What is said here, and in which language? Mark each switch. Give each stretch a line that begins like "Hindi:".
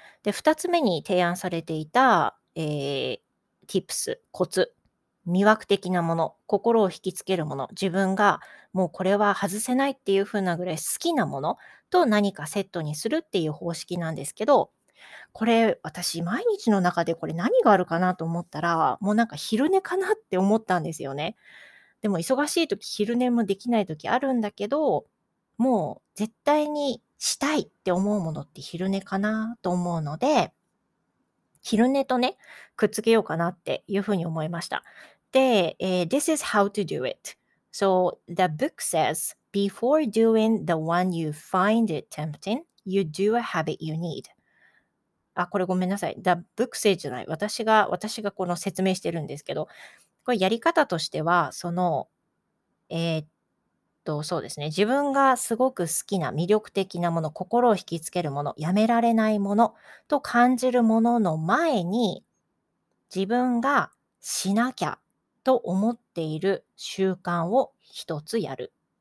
Japanese: で、二つ目に提案されていた、tips、コツ、魅惑的なもの、心を引きつけるもの、自分がもうこれは外せないっていうふうなぐらい好きなものと何かセットにするっていう方式なんですけど、これ私毎日の中でこれ何があるかなと思ったら、もうなんか昼寝かなって思ったんですよね。でも忙しい時昼寝もできない時あるんだけど、もう絶対にしたいって思うものって昼寝かなと思うので、昼寝とねくっつけようかなっていうふうに思いました。
English: で、This is how to do it. So the book says before doing the one you find it tempting, you do a habit you need.
Japanese: あ、これごめんなさい。
English: The book says
Japanese: じゃない。私がこの説明してるんですけど、これやり方としては、そうですね。自分がすごく好きな、魅力的なもの、心を引きつけるもの、やめられないものと感じるものの前に、自分がしなきゃと思っている習慣を一つやる。